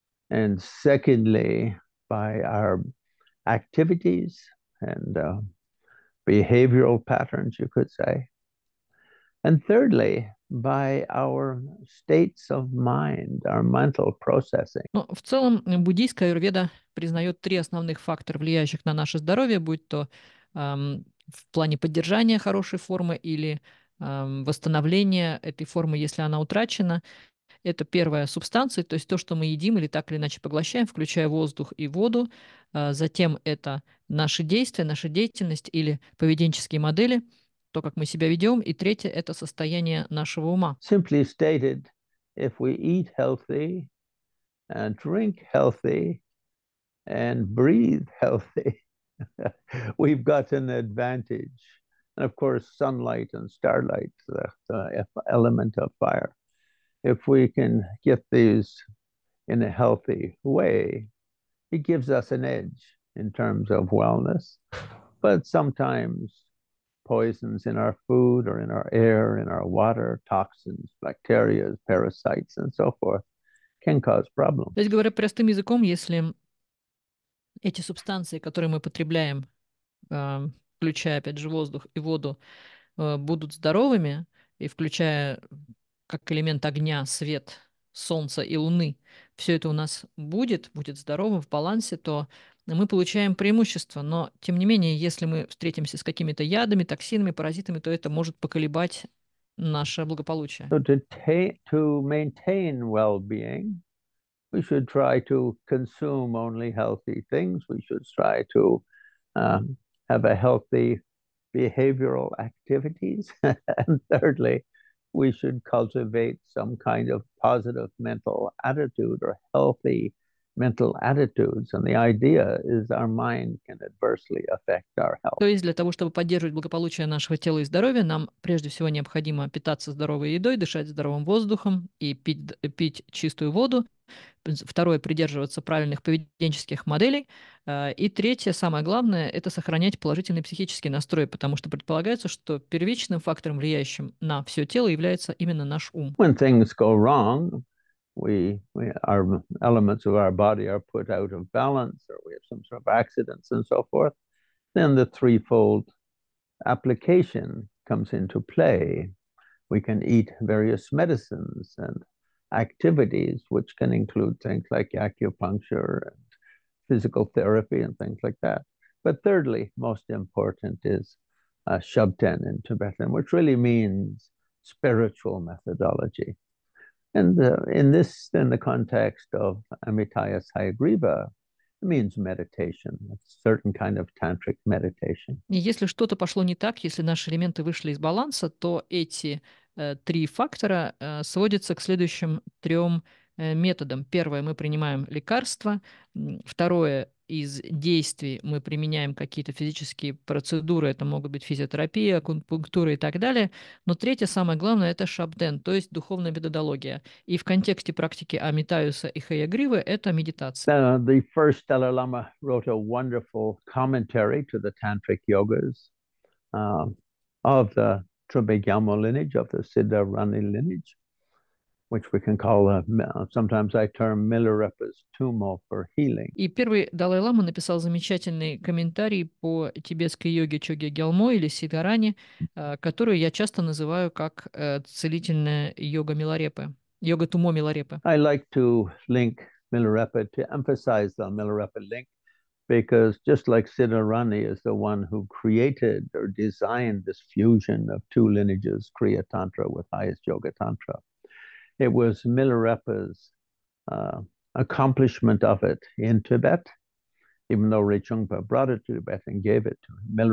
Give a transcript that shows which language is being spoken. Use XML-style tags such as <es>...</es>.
<en>And secondly, by our activities and behavioral patterns, you could say. And thirdly, by our states of mind, our mental processing.</en> <ru>Но в целом буддийская аюрведа признает три основных фактора, влияющих на наше здоровье, будь то в плане поддержания хорошей формы или восстановления этой формы, если она утрачена. Это первая субстанция, то есть то, что мы едим или так или иначе поглощаем, включая воздух и воду. Затем это наши действия, наша деятельность или поведенческие модели, то, как мы себя ведем. И третье – это состояние нашего ума.</ru> <en>Simply stated, if we eat healthy and drink healthy and breathe healthy, we've got an advantage. And of course, sunlight and starlight, the element of fire. If we can get these in a healthy way, it gives us an edge in terms of wellness. But sometimes poisons in our food or in our air, in our water, toxins, bacteria, parasites and so forth can cause problems.</en> <ru>То есть, говоря простым языком, если эти субстанции, которые мы потребляем, включая, опять же, воздух и воду, будут здоровыми, и включая как элемент огня, свет, солнца и луны, все это у нас будет здоровым в балансе, то мы получаем преимущество. Но, тем не менее, если мы встретимся с какими-то ядами, токсинами, паразитами, то это может поколебать наше благополучие.</ru> <en>So to maintain well-being, we should try to consume only healthy things. We should try to have a healthy behavioral activities. And thirdly, we should cultivate some kind of positive mental attitude or healthy mental attitudes. And the idea is our mind can adversely affect our health.</en> <ru>То есть для того, чтобы поддерживать благополучие нашего тела и здоровья, нам прежде всего необходимо питаться здоровой едой, дышать здоровым воздухом и пить чистую воду. Второе – придерживаться правильных поведенческих моделей. И третье, самое главное – это сохранять положительный психический настрой, потому что предполагается, что первичным фактором, влияющим на все тело, является именно наш ум.</ru> <en>When things go wrong, we our elements of our body are put out of balance, or we have some sort of accidents and so forth, then the threefold application comes into play. We can eat various medicines and activities, which can include things like acupuncture and physical therapy and things like that. But thirdly, most important is Shabden in Tibetan, which really means spiritual methodology. And in this, in the context of Amitāya Sahasrīva, it means meditation, a certain kind of tantric meditation.</en> <ru>И если что-то пошло не так, если наши элементы вышли из баланса, то эти три фактора сводятся к следующим трем методам. Первое, мы принимаем лекарства. Второе, из действий мы применяем какие-то физические процедуры. Это могут быть физиотерапия, акупунктура и так далее. Но третье, самое главное, это шабден, то есть духовная методология. И в контексте практики Амитаюса и Хаягривы это медитация.</ru> <en>The first Dalai Lama wrote a wonderful commentary to the tantric yogas of the Trimegyamo lineage, of the Siddharani lineage, which we can call, sometimes I term Milarepa's tumor for healing.</en> <ru>И первый Далай-Лама написал замечательный комментарий по тибетской йоге Чогья Гялмо или Сидхарани, которую я часто называю как целительная йога Миларепы, йога тумо Миларепы.</ru> <en>I like to link Milarepa, to emphasize the Milarepa link, because just like Siddharani is the one who created or designed this fusion of two lineages, Kriya Tantra with highest yoga tantra, it was Milarepa's accomplishment of it in Tibet, even though Rechungpa brought it to Tibet and gave it to him.</en>